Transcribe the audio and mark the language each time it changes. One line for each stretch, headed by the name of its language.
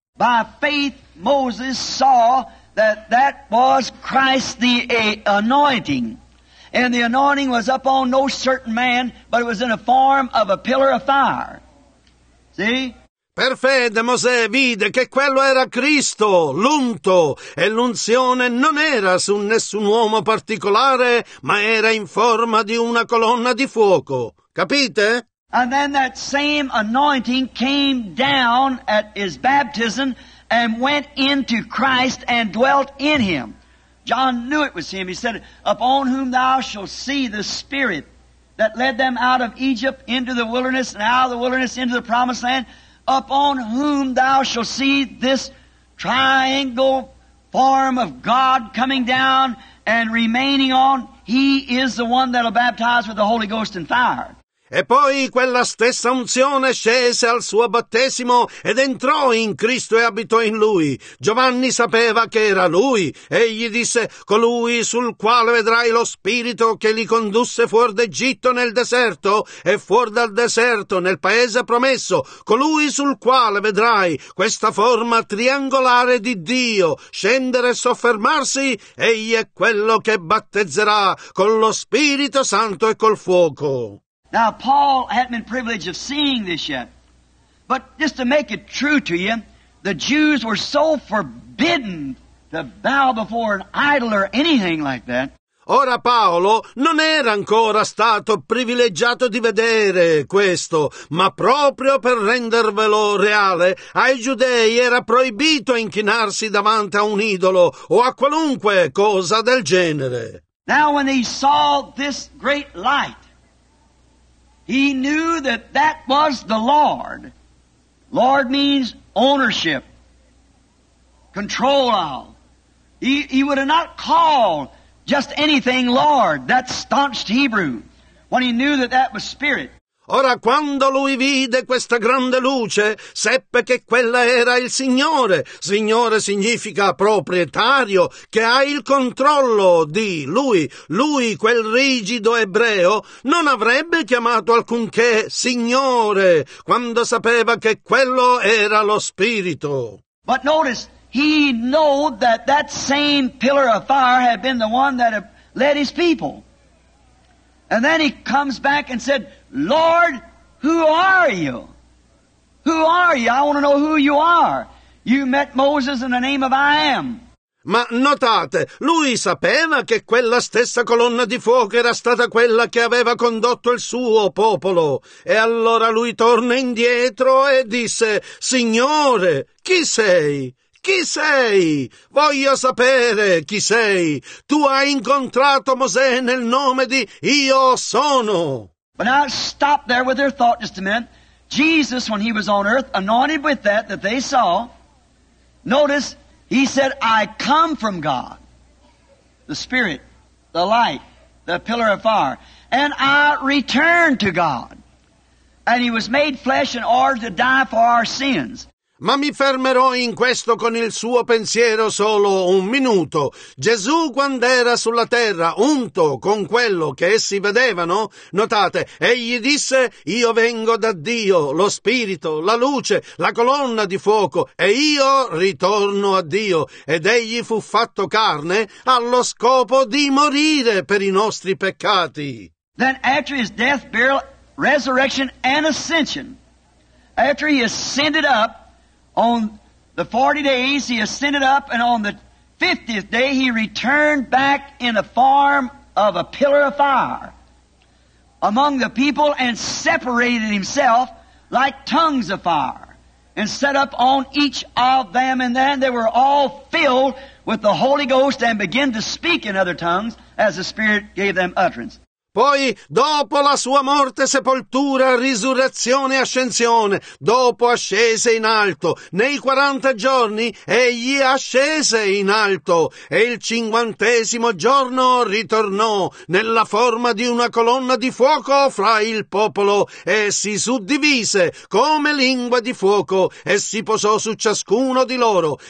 English: By faith Moses saw that that was Christ the anointing. And the anointing was upon no certain man, but it was in a form of a pillar of fire. See?
Italian: Per fede Mosè vide che quello era Cristo, l'unto, e l'unzione non era su nessun uomo particolare, ma era in forma di una colonna di fuoco. Capite?
English: And then that same anointing came down at his baptism and went into Christ and dwelt in him. John knew it was him. He said, upon whom thou shalt see the Spirit that led them out of Egypt into the wilderness and out of the wilderness into the promised land, upon whom thou shalt see this triangle form of God coming down and remaining on, he is the one that will baptize with the Holy Ghost and fire.
Italian: E poi quella stessa unzione scese al suo battesimo ed entrò in Cristo e abitò in lui. Giovanni sapeva che era lui, e gli disse, colui sul quale vedrai lo spirito che li condusse fuor d'Egitto nel deserto e fuor dal deserto nel paese promesso, colui sul quale vedrai questa forma triangolare di Dio scendere e soffermarsi, egli è quello che battezzerà con lo Spirito Santo e col fuoco.
English: Now, Paul hadn't been privileged of seeing this yet, but just to make it true to you, the Jews were so forbidden to bow before an idol or anything like that.
Italian: Ora Paolo non era ancora stato privilegiato di vedere questo, ma proprio per rendervelo reale, ai giudei era proibito inchinarsi davanti a un idolo o a qualunque cosa del genere.
English: Now when he saw this great light, he knew that that was the Lord. Lord means ownership, control of. He would have not called just anything Lord, that staunched Hebrew, when he knew that that was Spirit.
Italian: Ora, quando lui vide questa grande luce, seppe che quella era il Signore. Signore significa proprietario, che ha il controllo di lui. Lui, quel rigido ebreo, non avrebbe chiamato alcunché Signore, quando sapeva che quello era lo Spirito.
English: But notice, he knew that that same pillar of fire had been the one that had led his people. And then he comes back and said, Lord, who are you? Who are you? I want to know who you are. You met Moses in the name of I Am.
Italian: Ma notate, lui sapeva che quella stessa colonna di fuoco era stata quella che aveva condotto il suo popolo. E allora lui torna indietro e disse, Signore, chi sei? Chi sei? Voglio sapere chi sei. Tu hai incontrato Mosè nel nome di Io Sono.
English: But now stop there with their thought just a minute. Jesus, when he was on earth, anointed with that that they saw, notice, he said, I come from God, the Spirit, the light, the pillar of fire, and I return to God. And he was made flesh in order to die for our sins.
Italian: Ma mi fermerò in questo con il suo pensiero solo un minuto. Gesù, quando era sulla terra, unto con quello che essi vedevano, notate, egli disse, io vengo da Dio, lo Spirito, la luce, la colonna di fuoco, e io ritorno a Dio. Ed egli fu fatto carne allo scopo di morire per i nostri peccati.
English: Then after his death, burial, resurrection and ascension, after he ascended up, on the 40 days he ascended up, and on the 50th day he returned back in the form of a pillar of fire among the people and separated himself like tongues of fire and set up on each of them. And then they were all filled with the Holy Ghost and began to speak in other tongues as the Spirit gave them utterance.
Italian: Poi, dopo la sua morte, sepoltura, risurrezione e ascensione, dopo ascese in alto, nei 40 giorni egli ascese in alto, e il 50° giorno ritornò nella forma di una colonna di fuoco fra il popolo, e si suddivise come lingua di fuoco, e si posò su ciascuno di loro,